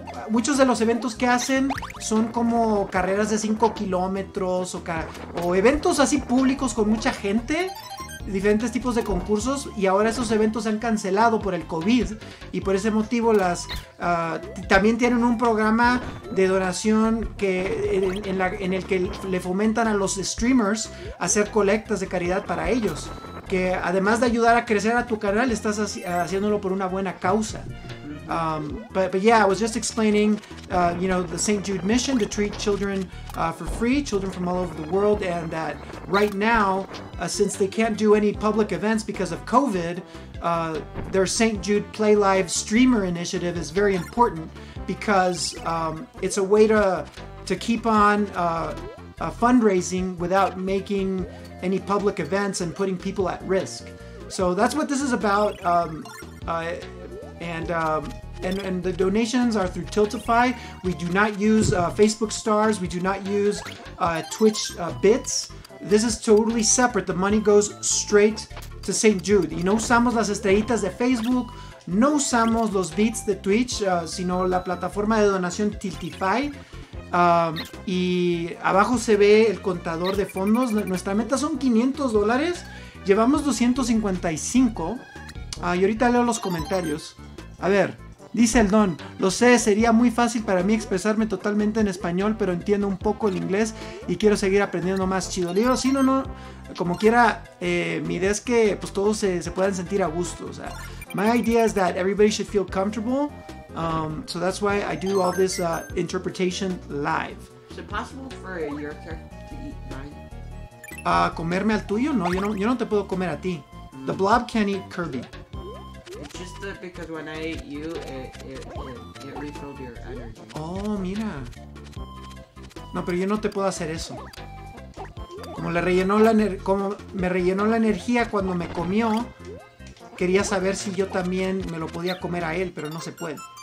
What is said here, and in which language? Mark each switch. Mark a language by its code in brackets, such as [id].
[es] Muchos de los eventos que hacen son como carreras de 5 kilómetros o eventos así públicos con mucha gente, diferentes tipos de concursos, y ahora esos eventos se han cancelado por el COVID, y por ese motivo las también tienen un programa de donación que en el que le fomentan a los streamers hacer colectas de caridad para ellos, que además de ayudar a crecer a tu canal, estás haciéndolo por una buena causa. [en] But yeah, I was just explaining, you know, the St. Jude mission to treat children for free, children from all over the world, and that right now, since they can't do any public events because of COVID, their St. Jude Play Live streamer initiative is very important because it's a way to keep on fundraising without making any public events and putting people at risk. So that's what this is about. And the donations are through Tiltify. We do not use Facebook stars. We do not use Twitch bits. This is totally separate. The money goes straight to St. [es] Jude. Y no usamos las estrellitas de Facebook. No usamos los bits de Twitch, sino la plataforma de donación Tiltify. Y abajo se ve el contador de fondos. Nuestra meta son $500. Llevamos 255. Y ahorita leo los comentarios. A ver, dice el Don, lo sé, sería muy fácil para mí expresarme totalmente en español, pero entiendo un poco el inglés y quiero seguir aprendiendo más. Chido, digo, sí, no, como quiera, mi idea es que pues todos se puedan sentir a gusto. O sea, [en] my idea is that everybody should feel comfortable, so that's why I do all this interpretation live. Is it possible for your character to eat mine? [es] ¿Comerme al tuyo? No, yo no te puedo comer a ti. [en] The blob can't eat Kirby. Just because when I ate you, it refilled your energy. [es] Oh, mira. No, pero yo no te puedo hacer eso. Como le rellenó como me rellenó la energía cuando me comió, quería saber si yo también me lo podía comer a él, pero no se puede.